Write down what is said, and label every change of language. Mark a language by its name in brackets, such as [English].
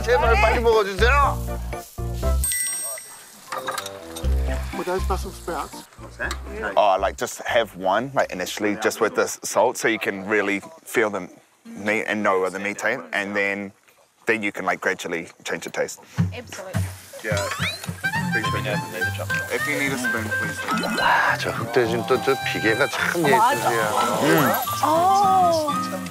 [Korean] 제발 빨리, 빨리 먹어주세요. [English] Those Brussels sprouts. Oh, like just have one, like initially, just with the salt, so you can really feel the meat and know where the meat tastes, and then you can like gradually change the taste. Absolutely. Yeah. If you need a spoon, please. [Korean] Ah, 저 흑돼지는 또 비계가 참 예쁘지요.